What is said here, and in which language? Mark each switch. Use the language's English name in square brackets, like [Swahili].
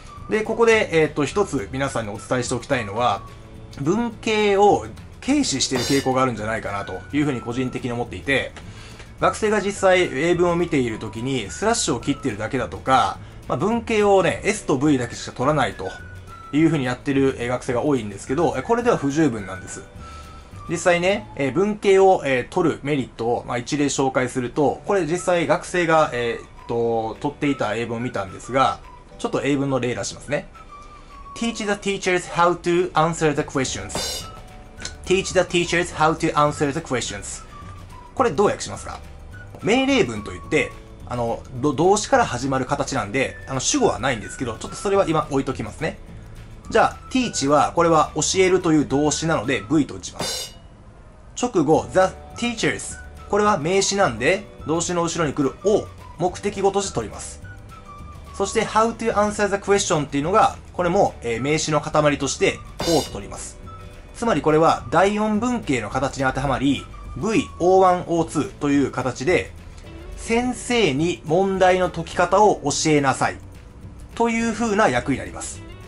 [Japanese] で、ここで一つ皆さんにお伝えしておきたいのは、文型を軽視している傾向があるんじゃないかなというふうに個人的に思っていて、学生が実際英文を見ているときにスラッシュを切っているだけだとか、まあ、文型をね S と V だけしか取らないというふうにやっている学生が多いんですけど、これでは不十分なんです。実際ね、文型を取るメリットを、まあ、一例紹介すると、これ実際学生が取っていた英文を見たんですが、ちょっと英文の例出しますね。 [English] Teach the teachers how to answer the questionsTeach the teachers how to answer the questions. [Japanese] これどう訳しますか？命令文といって、動詞から始まる形なんで、主語はないんですけど、ちょっとそれは今置いときますね。じゃあ、teach は、これは教えるという動詞なので、V と打ちます。直後、 [English] the teachers。 [Japanese] これは名詞なんで、動詞の後ろに来る O、目的語として取ります。そして、 [English] how to answer the question [Japanese] っていうのが、これも、名詞の塊として O と取ります。つまりこれは第四文型の形に当てはまり、VO1O2 という形で、先生に問題の解き方を教えなさい、という風な訳になります。